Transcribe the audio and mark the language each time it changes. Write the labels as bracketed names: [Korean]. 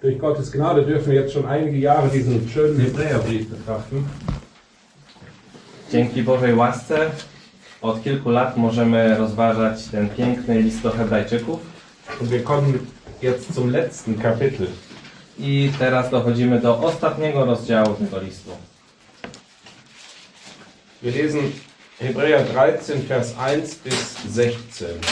[German] Durch Gottes Gnade dürfen wir jetzt schon einige Jahre diesen schönen Hebräerbrief betrachten. [Polish] Dzięki Bożej łasce od kilku lat możemy rozważać ten piękny list do Hebrajczyków. [German] Und wir kommen jetzt zum letzten Kapitel. [Polish] I teraz dochodzimy do ostatniego rozdziału tego listu. [German] Wir lesen Hebräer 13, Vers 1 bis 16.